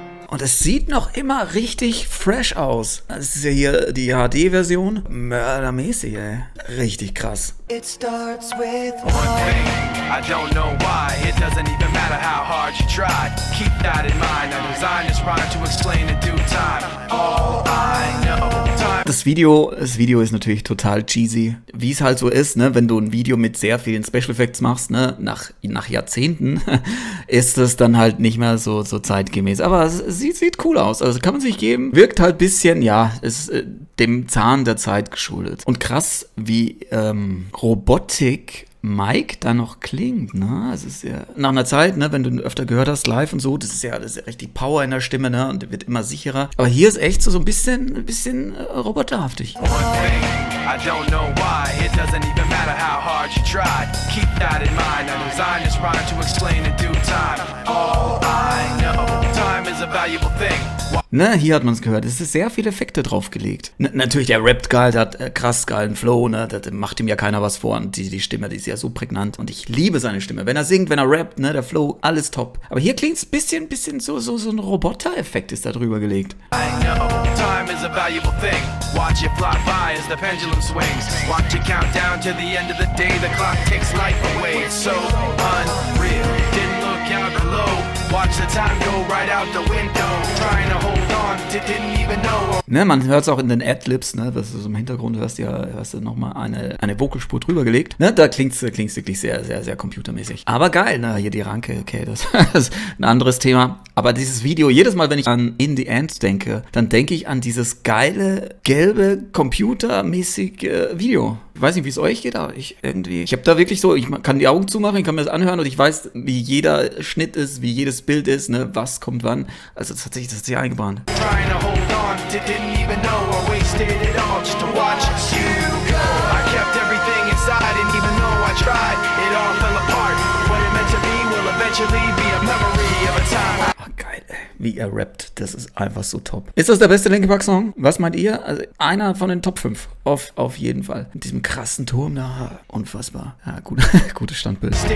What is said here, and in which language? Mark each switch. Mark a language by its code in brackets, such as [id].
[de] Und es sieht noch immer richtig fresh aus. Das ist ja hier die HD-Version. Mördermäßig, ey. Richtig krass. [en] It starts with one thing. I don't know why. It doesn't even matter how hard you try. Keep that in mind. I designed this rhyme to explain in due time. All I know. [de] Das Video ist natürlich total cheesy. Wie es halt so ist, ne, wenn du ein Video mit sehr vielen Special Effects machst, ne, nach Jahrzehnten, ist es dann halt nicht mehr so zeitgemäß. Aber es sieht cool aus. Also kann man sich geben. Wirkt halt ein bisschen, ja, ist dem Zahn der Zeit geschuldet. Und krass, wie Robotik Mike da noch klingt, ne? Es ist ja nach einer Zeit, ne, wenn du ihn öfter gehört hast, live und so, das ist ja richtig Power in der Stimme, ne? Und wird immer sicherer. Aber hier ist echt so ein bisschen roboterhaftig. [en] I don't know why. It doesn't even matter how hard you try. Keep that in mind. I designed this rhyme to explain in due time. All I know, time is a valuable thing. [de] Ne, hier hat man es gehört. Es ist sehr viele Effekte draufgelegt. Natürlich, der rappt geil, der hat krass geilen Flow, ne? Da macht ihm ja keiner was vor. Und die Stimme, die ist ja so prägnant. Und ich liebe seine Stimme. Wenn er singt, wenn er rappt, ne, der Flow, alles top. Aber hier klingt es bisschen so ein Roboter-Effekt ist da drüber gelegt. [en] I know, time is a valuable thing. Watch it fly by as the pendulum swings. Watch it count down to the end of the day. The clock takes life away. It's so unreal. Didn't look out below. Watch the time go right out the window. Trying to hold on, didn't even know. [de] Ne, man hört es auch in den Adlibs, ne, das ist im Hintergrund, hörst du nochmal eine Vocalspur drüber gelegt. Ne, da klingt's wirklich sehr, sehr, sehr computermäßig. Aber geil, ne, hier die Ranke, okay, das ist ein anderes Thema. Aber dieses Video, jedes Mal, wenn ich an In the End denke, dann denke ich an dieses geile, gelbe, computermäßige Video. Ich weiß nicht, wie es euch geht, aber ich habe da wirklich so, ich kann die Augen zumachen, ich kann mir das anhören und ich weiß, wie jeder Schnitt ist, wie jedes Bild ist, ne, was kommt wann. Also das hat sich eingebrannt. [en] Didn't even know I wasted it all just to watch you go. I kept everything inside, and even though I tried, it all fell apart. What it meant to be will eventually be a memory of a time. [de] Wie er rappt, das ist einfach so top. Ist das der beste Linkin Park Song? Was meint ihr? Also einer von den Top 5. Auf jeden Fall. Mit diesem krassen Turm da. Unfassbar. Ja, gut. Gutes Standbild.